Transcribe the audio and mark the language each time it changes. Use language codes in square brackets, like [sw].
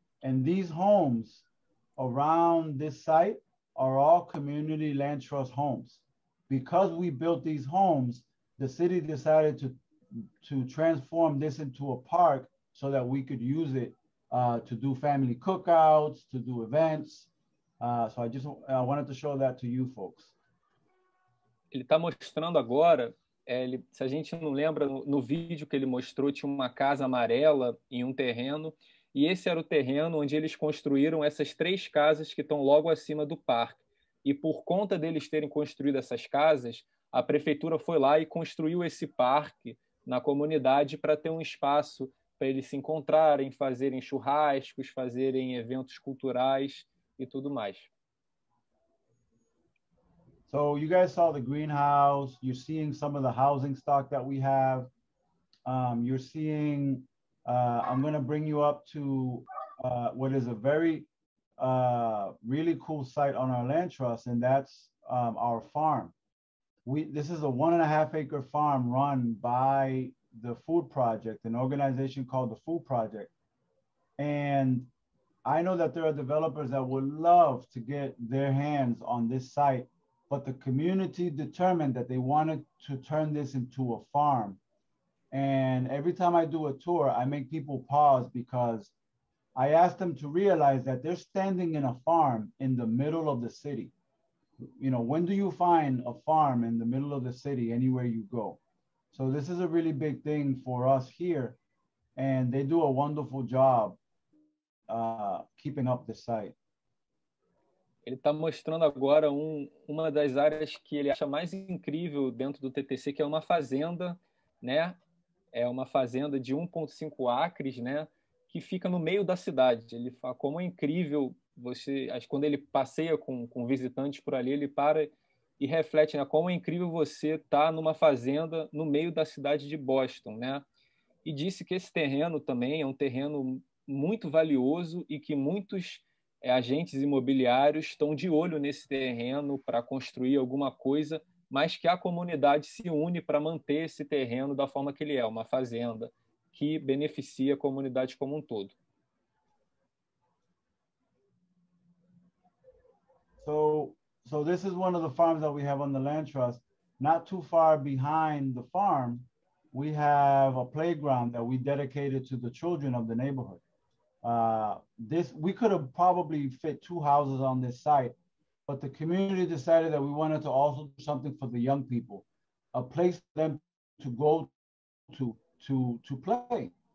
[en] And these homes around this site are all community land trust homes. Because we built these homes, the city decided to transform this into a park so that we could use it to do family cookouts, to do events. So I wanted to show that to you folks. [pt] Ele está mostrando agora, se a gente não lembra, no vídeo que ele mostrou, tinha uma casa amarela em um terreno, e esse era o terreno onde eles construíram essas três casas que estão logo acima do parque. E por conta deles terem construído essas casas, a prefeitura foi lá e construiu esse parque na comunidade para ter um espaço para eles se encontrarem, fazerem churrascos, fazerem eventos culturais e tudo mais. [en] So you guys saw the greenhouse, you're seeing some of the housing stock that we have. You're seeing, I'm going to bring you up to what is a very really cool site on our land trust, and that's our farm. This is a 1.5 acre farm run by the Food Project, an organization called the Food Project. And I know that there are developers that would love to get their hands on this site, but the community determined that they wanted to turn this into a farm. And every time I do a tour, I make people pause because I ask them to realize that they're standing in a farm in the middle of the city. You know, when do you find a farm in the middle of the city anywhere you go? So this is a really big thing for us here. And they do a wonderful job keeping up the site. [pt] Ele está mostrando agora uma das áreas que ele acha mais incrível dentro do TTC, que é uma fazenda, né? É uma fazenda de 1,5 acres, né, que fica no meio da cidade. Ele fala como é incrível, quando ele passeia com visitantes por ali, ele para e reflete, né, como é incrível você estar numa fazenda no meio da cidade de Boston, né? E disse que esse terreno também é um terreno muito valioso e que muitos agentes imobiliários estão de olho nesse terreno para construir alguma coisa, mas que a comunidade se une para manter esse terreno da forma que ele é, uma fazenda que beneficia a comunidade como um todo. [en] So this is one of the farms that we have on the land trust. Not too far behind the farm, we have a playground that we dedicated to the children of the neighborhood. This we could have probably fit two houses on this site, but the community decided that we wanted to also do something for the young people, a place for them to go to play.